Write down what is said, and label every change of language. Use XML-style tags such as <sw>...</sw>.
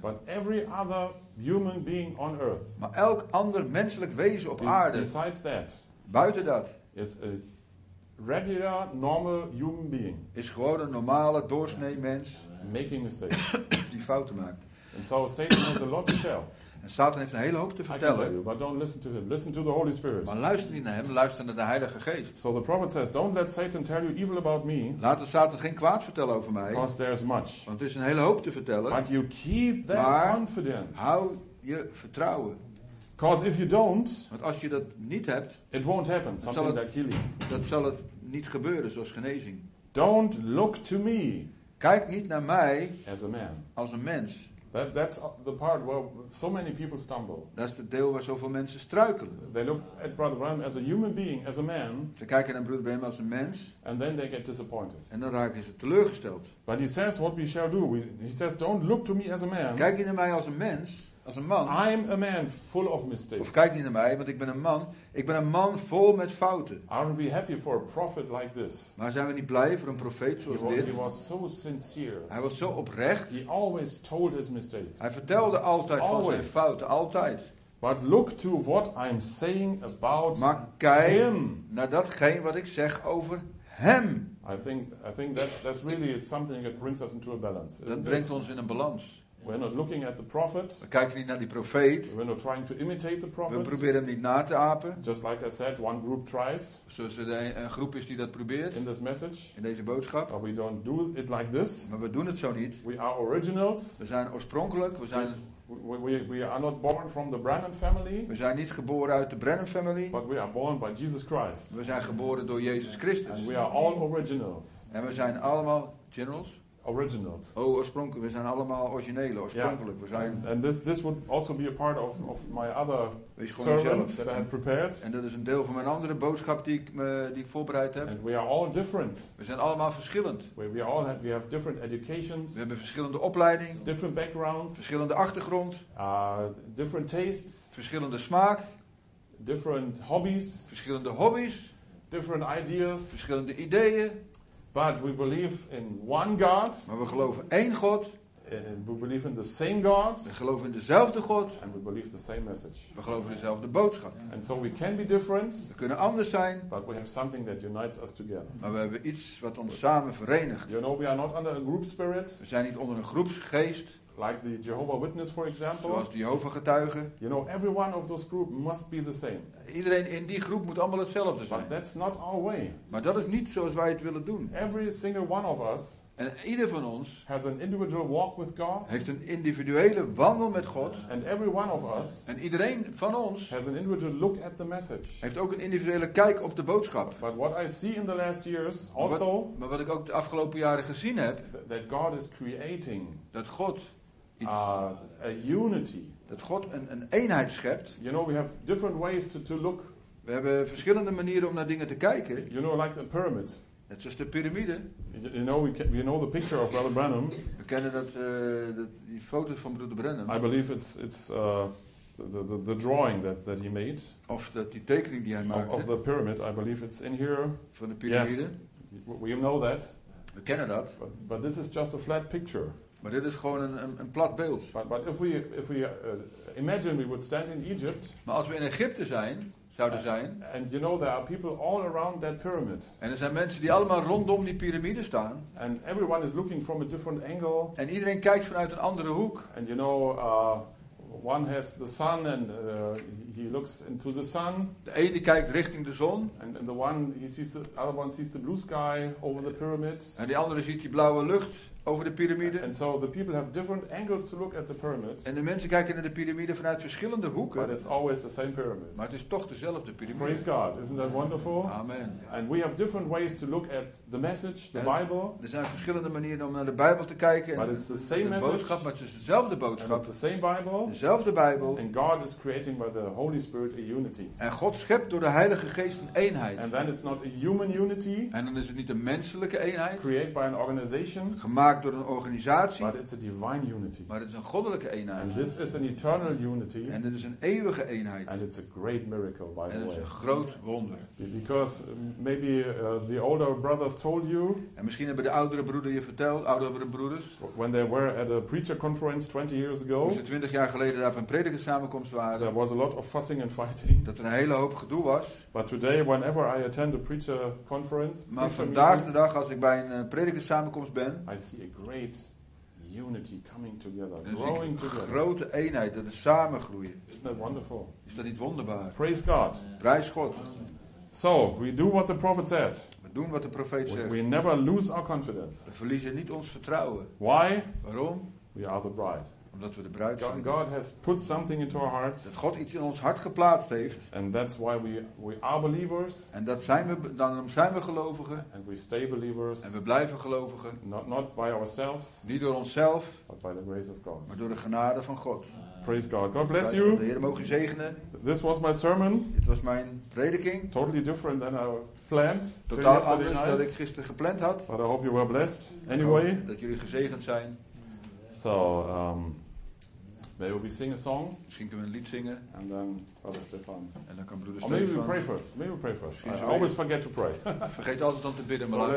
<en>But every other human being on earth.</en> <nl>Maar elk ander menselijk wezen op aarde.</nl> <en>Besides that.</en> <nl>Buiten dat.</nl> <en>Is a regular normal human being.</en> <nl>Is gewoon een normale doorsnee mens.</nl> <en>Making mistakes.</en> <nl>Die fouten maakt.</nl> <en>And so Satan has a lot to tell.</en> <nl>En Satan heeft een hele hoop te vertellen.</nl> <en>I can tell you, but don't listen to him. Listen to the Holy Spirit.</en> <nl>Maar luister niet naar hem, luister naar de Heilige Geest.</nl> <en>So the prophet says, don't let Satan tell you evil about me.</en> <nl>Laat de Satan geen kwaad vertellen over mij.</nl> <en>Because there's much.</en> <nl>Want er is een hele hoop te vertellen.</nl> <en>But you keep that confidence.</en> <nl>Hou je vertrouwen.</nl> <en>Because if you don't,</en> <nl>want als je dat niet hebt,</nl> <en>it won't happen. Something like healing.</en> <nl>Dat zal het niet gebeuren, zoals genezing.</nl> <en>Don't look to me.</en> <nl>Kijk niet naar mij</nl> <en>as a man.</en> <nl>Als een mens.</nl> <en>That's the part where so many people stumble.</en> <nl>Dat is het deel waar zoveel mensen struikelen.</nl> <en>They look at Brother Bram as a human being, as a man.</en> <nl>Ze kijken naar Broeder Bram als een mens.</nl> <en>And then they get disappointed.</en> <nl>En dan raken ze teleurgesteld.</nl> <en>But he says what we shall do. He says, don't look to me as a man.</en> <nl>Kijk niet naar mij als een mens. Als een man.</nl> <en>I'm a man full of mistakes.</en> <nl>Of kijk niet naar mij, want ik ben een man. Ik ben een man vol met fouten.</nl> <en>Aren't we happy for a prophet like this?</en> <nl>Maar zijn we niet blij voor een profeet zoals dit?</nl> <en>He was so sincere.</en> <nl>Hij was zo oprecht.</nl> <en>He always told his mistakes.</en> <nl>Hij vertelde altijd van zijn fouten, altijd.</nl> <en>But look to what I'm saying about him.</en> <nl>Maar kijk</nl> <en>him.</en> <nl>Naar datgene wat ik zeg over hem.</nl> <en>I think that's really something that brings us into a balance.</en> <nl>Dat brengt ons in een balans.</nl> <en>We're not looking at the prophet.</en> <nl>We kijken niet naar die profeet.</nl> <en>We're not trying to imitate the prophet.</en> <nl>We proberen hem niet na te apen.</nl> <en>Just like I said, one group tries.</en> <nl>Zoals er een groep is die dat probeert.</nl> <en>In this message.</en> <nl>In deze boodschap.</nl> <en>But we don't do it like this.</en> <nl>Maar we doen het zo niet.</nl> <en>We are originals.</en> <nl>We zijn oorspronkelijk. We zijn.</nl> <en>We are not born from the Branham family.</en> <nl>We zijn niet geboren uit de Branham family.</nl> <en>But we are born by Jesus Christ.</en> <nl>We zijn geboren door Jezus Christus.</nl> <en>And we are all originals.</en> <nl>En we zijn allemaal generals.</nl> <en>Originals.</en> <nl>Oh, oorspronkelijk. We zijn allemaal originele, oorspronkelijk.</nl> <en>Yeah.</en> <nl>We zijn.</nl> <en>And this would also be a part of my other sermon that I had prepared.</en> <nl>En dat is een deel van mijn andere boodschap die ik voorbereid heb.</nl> <en>And we are all different.</en> <nl>We zijn allemaal verschillend.</nl> <en>We have different educations.</en> <nl>We hebben verschillende opleidingen.</nl> <en>Different backgrounds.</en> <nl>Verschillende achtergrond.</nl> <en>Different tastes.</en> <nl>Verschillende smaak.</nl> <en>Different hobbies.</en> <nl>Verschillende hobby's.</nl> <en>Different ideas.</en> <nl>Verschillende ideeën.</nl> <en>But we believe in one God.</en> <nl>Maar we geloven één God.</nl> <en>We believe in the same God.</en> <nl>We geloven in dezelfde God.</nl> <en>And we believe the same message.</en> <nl>We geloven dezelfde boodschap.</nl> <en>And so we can be different.</en> <nl>We kunnen anders zijn.</nl> <en>But we have something that unites us together.</en> <nl>Maar we hebben iets wat ons samen verenigt.</nl> <en>You know, we are not under a group spirit.</en> <nl>We zijn niet onder een groepsgeest.</nl> <en>Like the Jehovah Witness, for example.</en> <nl>Zoals de Jehovah getuigen.</nl> <en>You know, every one of those group must be the same.</en> <nl>Iedereen in die groep moet allemaal hetzelfde zijn.</nl> <en>But that's not our way.</en> <nl>Maar dat is niet zoals wij het willen doen.</nl> <en>Every single one of us.</en> <nl>En ieder van ons</nl> <en>has an individual walk with God.</en> <nl>Heeft een individuele wandel met God.</nl> <en>And every one of us.</en> <nl>En iedereen van ons</nl> <en>has an individual look at the message.</en> <nl>Heeft ook een individuele kijk op de boodschap.</nl> <en>But what I see in the last years also.</en> <nl>Maar wat ik ook de afgelopen jaren gezien heb.</nl> <en>That God is creating.</en> <nl>Dat God</nl> <en>A unity.</en> <nl>Dat God een eenheid schept.</nl> <en>You know, we have different ways to look.</en> <nl>We hebben verschillende manieren om naar dingen te kijken.</nl> <en>You know, like the pyramid.</en> <nl>Net zoals de piramide.</nl> <en>You know, we know the picture of Brother Branham.</en> <nl>We kennen die foto van Broeder Branham.</nl> <en>I believe it's the drawing that he made.</en> <nl>Of die tekening die hij maakte.</nl> <en>Of the pyramid, I believe it's in here.</en> <nl>Van de piramide.</nl> <en>Yes. We know that.</en> <nl>We kennen dat.</nl> <en>But this is just a flat picture.</en> <nl>Maar dit is gewoon een plat beeld.</nl> <en>But if we imagine we would stand in Egypt.</en> <nl>Maar als we in Egypte zouden zijn.</nl> <en>And you know there are people all around that pyramid.</en> <nl>En er zijn mensen die allemaal rondom die piramide staan.</nl> <en>And everyone is looking from a different angle.</en> <nl>En iedereen kijkt vanuit een andere hoek.</nl> <en>And you know one has the sun and he looks into the sun.</en> <nl>De ene kijkt richting de zon.</nl> <en>And the one he sees the other one sees the blue sky over the pyramid.</en> <nl>En die andere ziet die blauwe lucht. Over de piramide.</nl> <en>And so the people have different angles to look at the pyramid.</en> <nl>En de mensen kijken naar de piramide vanuit verschillende hoeken.</nl> <en>But it's always the same pyramid.</en> <nl>Maar het is toch dezelfde piramide.</nl> <en>Praise God, isn't that wonderful? Amen. And we have different ways to look at the message, the Bible.</en> <nl>Er zijn verschillende manieren om naar de Bijbel te kijken.</nl> <en>But it's the same message.</en> <nl>Boodschap, maar het is dezelfde boodschap.</nl> <en>And it's the same Bible.</en> <nl>Dezelfde Bijbel.</nl> <en>And God is creating by the Holy Spirit a unity.</en> <nl>En God schept door de Heilige Geest een eenheid.</nl> <en>And then it's not a human unity.</en> <nl>En dan is het niet een menselijke eenheid.</nl> <en>Created by an organization.</en> <nl>Gemaakt door een organisatie.</nl> <en>But it's a divine unity.</en> <nl>Maar het is een goddelijke eenheid.</nl> <en>And this is an eternal unity.</en> <nl>En dit is een eeuwige eenheid.</nl> <en>And it's a great miracle, by the way.</en> <nl>En het is een groot wonder.</nl> <en>Because maybe the older brothers told you.</en> <nl>En misschien hebben de oudere broeders je verteld, oudere broeders.</nl> <en>When they were at a preacher conference 20 years ago.</en> <nl>Toen ze 20 jaar geleden daar op een predikersamenkomst waren.</nl> <en>There was a lot of fussing and fighting.</en> <nl>Dat er een hele hoop gedoe was.</nl> <en>But today, whenever I attend a preacher conference.</en> <nl>Maar vandaag de dag, als ik bij een predikersamenkomst ben.</nl> <en>I see a great unity coming together, growing together.</en> <nl>Grote eenheid dat is samengroeien.</nl> <en>Isn't that wonderful?</en> <nl>Is dat niet wonderbaar?</nl> <en>Praise God.</en> <nl>Prijs God.</nl> <en>So we do what the prophet said.</en> <nl>We doen wat de profeet zegt.</nl> <en>We never lose our confidence.</en> <nl>We verliezen niet ons vertrouwen.</nl> <en>Why?</en> <nl>Waarom?</nl> <en>We are the bride.</en> <nl>Omdat we de bruid zijn.</nl> <en>God has put something into our hearts.</en> <nl>Dat God iets in ons hart geplaatst heeft.</nl> <en>And that's why we are believers.</en> <nl>En dat zijn we, daarom zijn we gelovigen.</nl> <en>And we stay believers.</en> <nl>En we blijven gelovigen.</nl> <en>Not by ourselves.</en> <nl>Niet door onszelf.</nl> <en>But by the grace of God.</en> <nl>Maar door de genade van God.</nl> <en>Praise God. God bless you.</en> <nl>De Heer mogen zegenen.</nl> <en>This was my sermon.</en> <nl>Dit was mijn prediking.</nl> <en>Totally different than our plans.</en> <nl>Totaal anders dan ik gisteren gepland had.</nl> <en>But I hope you were blessed. Anyway.</en> <nl>Dat jullie gezegend zijn.</nl> <en>So, maybe we sing a song.</en> <nl>Misschien kunnen we een lied zingen.</nl> <en>And then Brother Stefan.</en> <nl>En dan kan Broeder</nl> <en>Stefan. Maybe we pray first. I always forget to pray.</en> <nl>Vergeet altijd om te bidden, maar</nl>